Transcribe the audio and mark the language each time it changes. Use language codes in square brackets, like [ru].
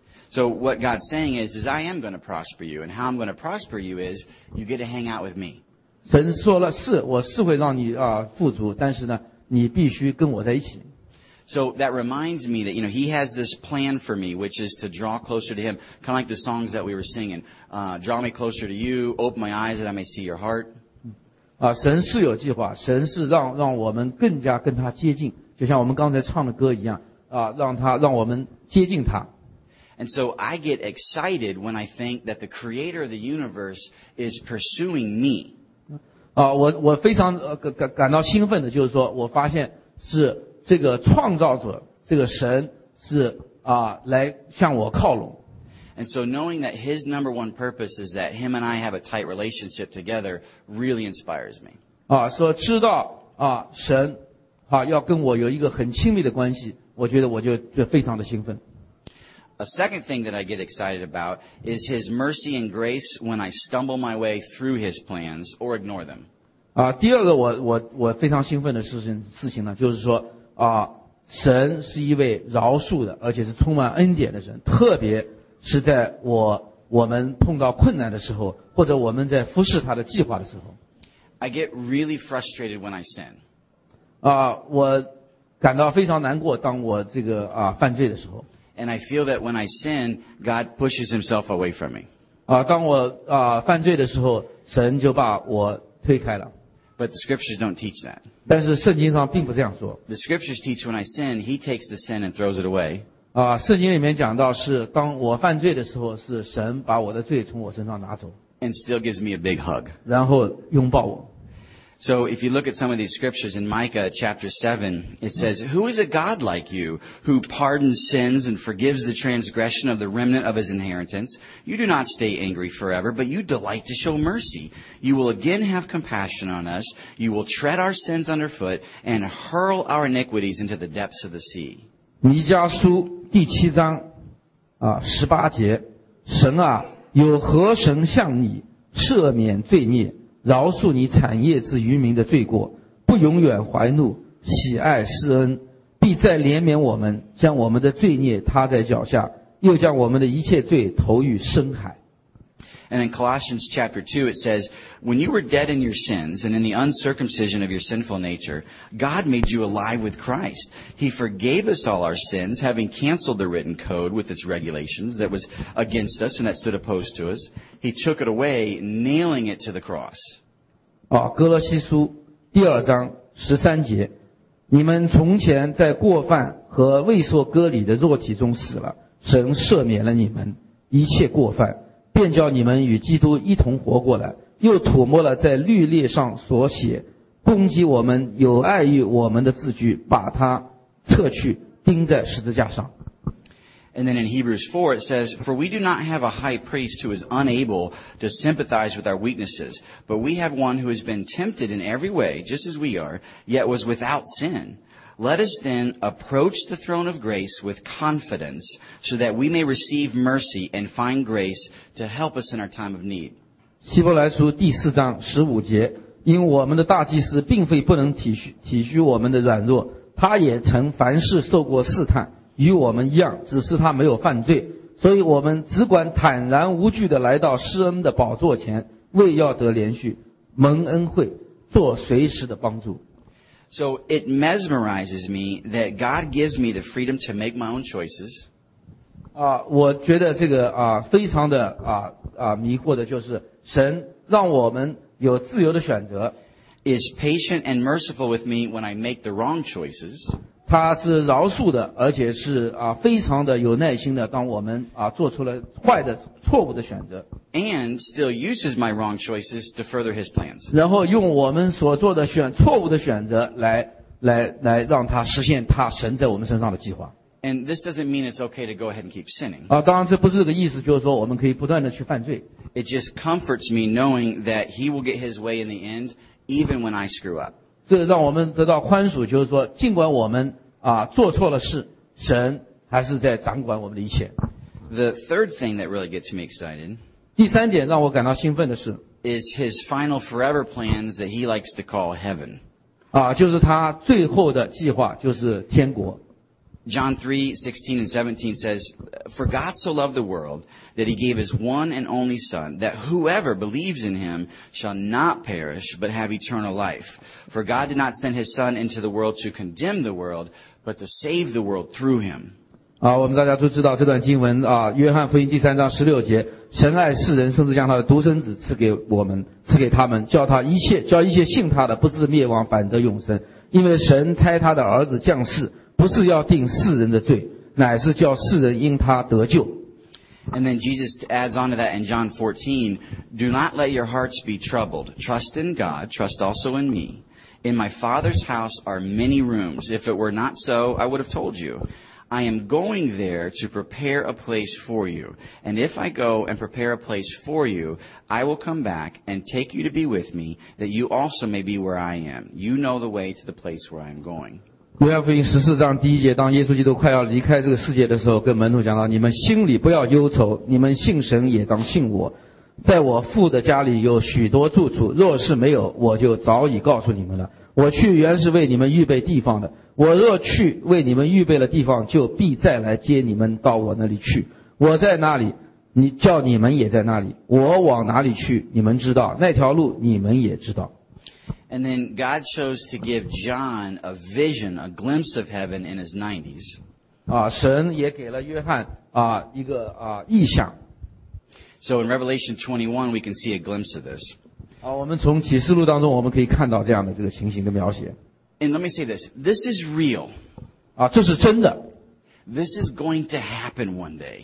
[en] So what God's saying is I am going to prosper you, and how I'm going to prosper you is you get to hang out with me. [zh] 神说了是，我是会让你富足，但是呢。你必须跟我在一起。 [en] So that reminds me that, you know, he has this plan for me, which is to draw closer to him, kind of like the songs that we were singing. Draw me closer to you, open my eyes that I may see your heart. [zh] 神是有计划，神是让我们更加跟他接近，就像我们刚才唱的歌一样，让我们接近他。 [en] And so I get excited when I think that the creator of the universe is pursuing me. [zh] 我非常感到兴奋的，就是说我发现是这个创造者，这个神是来向我靠拢。 [en] And so knowing that his number one purpose is that him and I have a tight relationship together really inspires me. [zh] 说知道神要跟我有一个很亲密的关系，我觉得我就非常的兴奋。 [en] A second thing that I get excited about is His mercy and grace when I stumble my way through His plans or ignore them. [zh] 第二个我非常兴奋的事情呢，就是说神是一位饶恕的，而且是充满恩典的神，特别是在我们碰到困难的时候，或者我们在服侍他的计划的时候。 [en] I get really frustrated when I sin. [zh] 我感到非常难过，当我这个犯罪的时候。 [en] And I feel that when I sin, God pushes Himself away from me. [zh] 当我犯罪的时候，神就把我推开了。 [en] But the scriptures don't teach that. [zh] 但是圣经上并不这样说。 [en] The scriptures teach when I sin, He takes the sin and throws it away. [zh] 圣经里面讲到是当我犯罪的时候，是神把我的罪从我身上拿走。 [en] And still gives me a big hug. [zh] 然后拥抱我。 [en] So if you look at some of these scriptures in Micah chapter 7, it says, Who is a God like you who pardons sins and forgives the transgression of the remnant of his inheritance? You do not stay angry forever, but you delight to show mercy. You will again have compassion on us. You will tread our sins underfoot and hurl our iniquities into the depths of the sea. [zh] 弥迦书第七章十八节，神啊，有何神向你赦免罪孽？饶恕你产业之渔民的罪过，不永远怀怒，喜爱施恩，必再怜悯我们，将我们的罪孽踏在脚下，又将我们的一切罪投于深海。 [en] And in Colossians chapter 2 it says, When you were dead in your sins and in the uncircumcision of your sinful nature, God made you alive with Christ. He forgave us all our sins, having canceled the written code with its regulations that was against us and that stood opposed to us. He took it away, nailing it to the cross. [zh] 哥罗西书第二章十三节，你们从前在过犯和未受割礼的肉体中死了，神赦免了你们一切过犯。便叫你们与基督一同活过来，又涂抹了在律例上所写攻击我们有碍于我们的字句，把它撤去，钉在十字架上。 [en] And then in Hebrews 4 it says, For we do not have a high priest who is unable to sympathize with our weaknesses, but we have one who has been tempted in every way, just as we are, yet was without sin. Let us then approach the throne of grace with confidence so that we may receive mercy and find grace to help us in our time of need. [zh] 希伯来书第四章十五节，因我们的大祭司并非不能体恤我们的软弱，他也曾凡事受过试探，与我们一样，只是他没有犯罪，所以我们只管坦然无惧地来到施恩的宝座前，为要得连续蒙恩惠，做随时的帮助。 [en] So it mesmerizes me that God gives me the freedom to make my own choices. [zh] 我觉得这个非常的迷惑的就是神让我们有自由的选择。 [en] Is patient and merciful with me when I make the wrong choices. [zh] 他是饶恕的，而且是非常的有耐心的，当我们做出了坏的错误的选择。 [en] And still uses my wrong choices to further his plans. [zh] 然后用我们所做的错误的选择来让他实现他神在我们身上的计划。 [en] And this doesn't mean it's okay to go ahead and keep sinning. [zh] 当然这不是这个意思，就是说我们可以不断的去犯罪。 [en] It just comforts me knowing that he will get his way in the end, even when I screw up. [zh] 这让我们得到宽恕，就是说尽管我们做错了事，神还是在掌管我们的一切。 [en] The third thing that really gets me excited. [zh] 第三点让我感到兴奋的是 [en] is his final forever plans that he likes to call heaven. [zh] 就是他最后的计划，就是天国。 [en] John 3:16 and 17 says, For God so loved the world that he gave his one and only son, that whoever believes in him shall not perish, but have eternal life. For God did not send his son into the world to condemn the world, but to save the world through him. [zh] 我们大家都知道这段经文约翰福音第三章十六节，神爱世人，甚至将他的独生子赐给我们，赐给他们，叫一切信他的不至灭亡，反得永生。因为神差他的儿子降世，不是要定世人的罪，乃是叫世人因他得救。 [en] And then Jesus adds on to that in John 14, Do not let your hearts be troubled. Trust in God, trust also in me. In my Father's house are many rooms. If it were not so, I would have told you. I am going there to prepare a place for you. And if I go and prepare a place for you, I will come back and take you to be with me, that you also may be where I am. You know the way to the place where I am going. [zh] 约翰福音十四章第一节，当耶稣基督快要离开这个世界的时候，跟门徒讲到，你们心里不要忧愁，你们信神也当信我。在我父的家里有许多住处，若是没有，我就早已告诉你们了。我去原是为你们预备地方的，我若去为你们预备了地方，就必再来接你们到我那里去。我在那里，你叫你们也在那里，我往哪里去你们知道，那条路你们也知道。 [en] And then God chose to give John a vision, a glimpse of heaven in his 90s. [zh] 啊，神也给了约翰啊一个啊异象。 [en] So in Revelation 21 we can see a glimpse of this. [zh] 啊，我们从启示录当中我们可以看到这样的这个情形的描写。 [en] And let me say this, this is real. [zh] 啊，这是真的。 [en] This is going to happen one day.